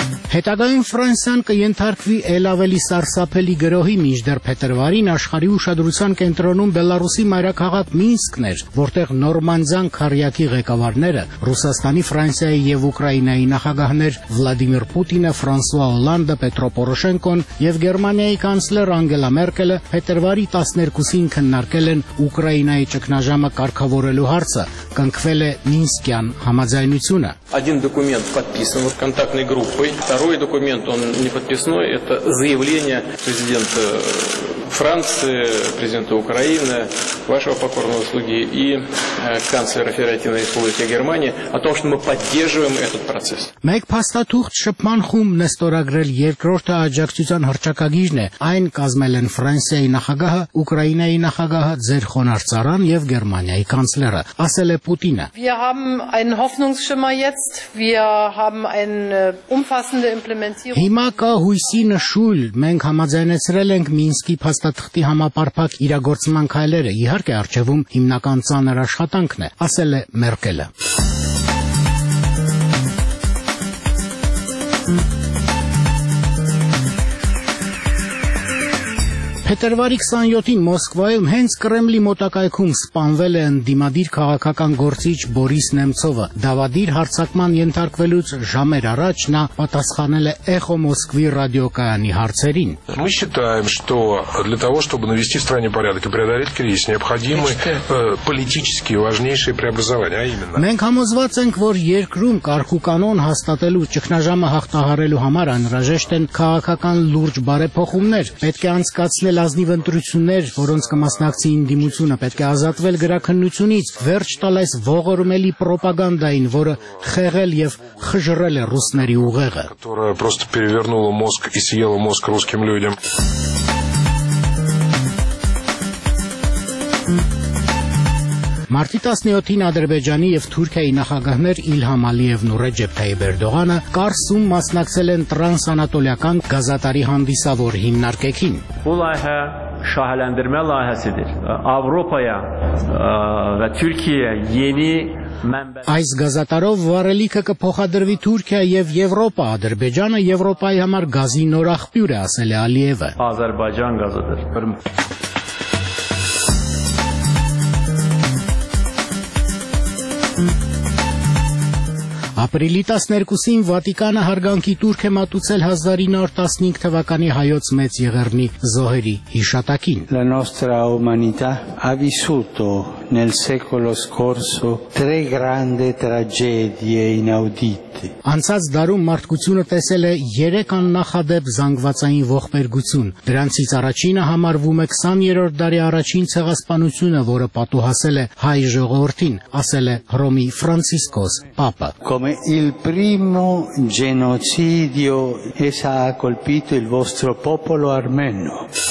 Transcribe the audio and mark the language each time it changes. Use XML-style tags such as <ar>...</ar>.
<hy>Հետագայում Ֆրանսիան կենթարկվի էլ ավելի սարսափելի գրոհի, մինչդեռ փետրվարին աշխարհի ուշադրության կենտրոնում Բելարուսի մայրաքաղաք Մինսկն էր, որտեղ Նորմանդյան քարյակի ղեկավարները, Ռուսաստանի, Ֆրանսիայի եւ Ուկրաինայի նախագահներ Վլադիմիր Պուտինը, Ֆրանսուա Օլանդը, Պետրո Պորոշենկոն եւ Գերմանիայի կանցլեր Անգելա Մերկելը փետրվարի 12-ին քննարկել են Ուկրաինայի ճգնաժամը կարգավորելու հարցը, կնքվել է Մինսկյան համաձայնությունը։</hy> <ru>Один документ подписан вот контактной группой. Второй документ, он не подписной, это заявление президента Франции, президента Украины, вашего покорного слуги и канцлера Федеративной Республики Германии о том, что мы поддерживаем этот процесс.</ru> <hy>Մեկ փաստաթուղթ շփման խում նստորագրել երկրորդը աջակցության հռչակագիրն է, այն կազմել են Ֆրանսիայի նախագահը, Ուկրաինայի նախագահը, ձեր խոնարհ-ծառան եւ Գերմանիայի կանցլերը, ասել է Պուտինը.</hy> <de>Wir haben einen Hoffnungsschimmer jetzt, wir haben ein umfassende Implementierung.</de> <hy>Հիմա կա հույսի նշույլ, մենք համաձայնեցրել ենք Մինսկի փաստաթղթի համապարփակ իրագործման քայլերը, իհարկե արջևում հիմնական ծանր աշխատանքն է, ասել է Մերկելը։ Փետրվարի 27-ին Մոսկվայում հենց Կրեմլի մոտակայքում սպանվել է ընդդիմադիր քաղաքական գործիչ Բորիս Նեմցովը։ Դավադիր հարցակման ենթարկվելուց ժամեր առաջ նա պատասխանել է Էխո Մոսկվի ռադիոկայանի հարցերին։</hy> <ru>Мы считаем, что для того, чтобы навести в стране порядок и преодолеть кризис, необходимы политические важнейшие преобразования, а именно.</ru> <hy>Մենք համոզված ենք, որ երկրում կարգ ու կանոն հաստատելու ճգնաժամը հաղթահարելու համար անհրաժեշտ են քաղաքական լուրջ բարեփոխումներ։ Պետք է անցկաց նե լազնիվ ընտրություններ, որոնց կմասնակցի ինդիմությունը, պետք է ազատվել գրաքննությունից, վերջ տալ այս ողորմելի պրոպագանդային, որը խեղել եւ խժռել է ռուսների ուղեղը։</hy> <ru>Которая просто перевернула мозг и съела мозг русским людям.</ru> <hy>Մարտի 17-ին Ադրբեջանի եւ Թուրքիայի նախագահներ Իլհամ Ալիևն ու Ռեջեփ Թայիպ Էրդողանը Կարսում մասնակցել են տրանսանատոլիական գազատարի հանդիսավոր հիմնարկեքին։</hy> <az>Ուլայհա շահալանդրմա լահասիդիր։ Ավրոպայա ու Թուրքիա յենի</az> <hy>Այս գազատարով վարելիքը կփոխադրվի Թուրքիա եւ Եվրոպա, Ադրբեջանը Եվրոպայի համար գազի նոր աղբյուր է, ասել է Ալիևը։ Ադրբեջան գազատար։ Ապրիլի 12-ին Վատիկանը հարգանքի տուրք է մատուցել 1915 թվականի հայոց մեծ եղեռնի զոհերի հիշատակին։</hy> <it>La nostra umanità ha vissuto nel secolo scorso tre grandi tragedie inaudite.</it> <hy>Անցած դարում մարդկությունը տեսել է 3 աննախադեպ զանգվածային ողբերգություն, դրանցից առաջինը համարվում է 20-րդ դարի առաջին ցեղասպանությունը, որը պատուհասել է հայ ժողովրդին, ասել է Հռոմի Ֆրանցիսկոս Պապը։</hy> <it>Il primo genocidio che ha colpito il vostro popolo armeno.</it>